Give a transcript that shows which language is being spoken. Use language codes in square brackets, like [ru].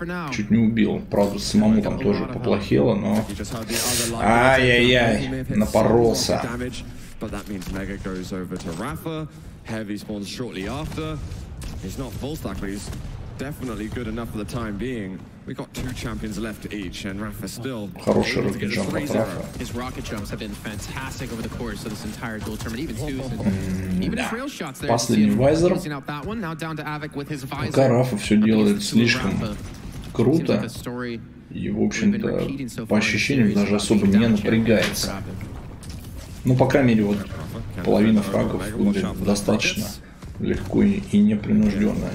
[ru] Чуть не убил. Правда, самому там тоже поплохело, но... Ай-яй-яй, напоролся. [en] But that means Mega goes over to Rapha. Heavy spawns shortly after. He's not full stack, but he's definitely good enough for the time being. We got two champions left each, and Rapha still. [ru] Хороший рокет джамп от Rapha. [en] His rocket jumps have been fantastic over the course of this entire dual tournament. Even trail shots there. [ru] Последний визор. Пока Rapha все делает слишком круто, и в общем-то по ощущениям даже особо не напрягается. Ну, по крайней мере, вот половина фрагов будет достаточно легко и непринужденно.